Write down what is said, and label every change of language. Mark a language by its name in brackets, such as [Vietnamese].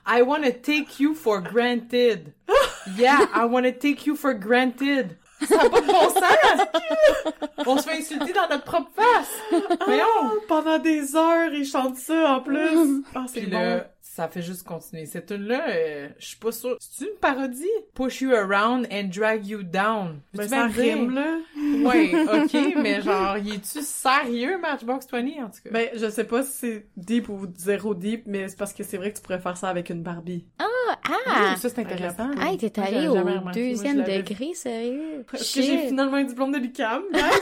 [English] I wanna take you for granted. Yeah, I wanna take you for granted. [French] Ça n'a pas de bon sens! On se fait insulter dans notre propre face! Voyons! Pendant des heures, ils chantent ça en plus! Ah, oh, c'est puis bon! Là, ça fait juste continuer. Cette une-là, je suis pas sûre. C'est-tu une parodie? [English] Push you around and drag you down. [French] Mais ça rime, là! Ouais, ok, mais genre, y es-tu sérieux, Matchbox 20, en tout cas? Ben, je sais pas si c'est deep ou zéro deep, mais c'est parce que c'est vrai que tu pourrais faire ça avec une Barbie. Ah! Ça, c'est intéressant. Ah, hey, t'es allé au deuxième degré, sérieux? Parce que j'ai finalement un diplôme de l'UQAM, guys!